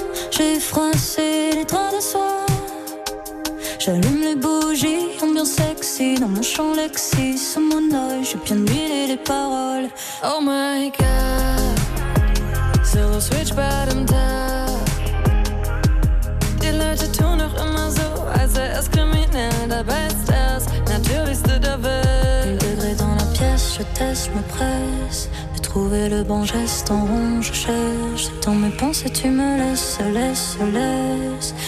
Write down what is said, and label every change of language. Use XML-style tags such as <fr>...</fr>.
<fr>J'ai froissé les draps de soie. J'allume les bougies, ambiance sexy dans mon champ Lexis. Sous mon oeil, j'ai bien huilé les paroles.</fr> <en>Oh my god,</en> <fr>c'est le switch bottom top.</fr> <de>Die Leute tun doch immer so, als wäre es kriminell. Dabei ist das natürlichste der Welt.</de> <fr>10 degrés dans la pièce, je teste, je me presse. Trouver le bon geste en rond, je cherche. Dans mes pensées, tu me laisses, laisses, laisses.</fr>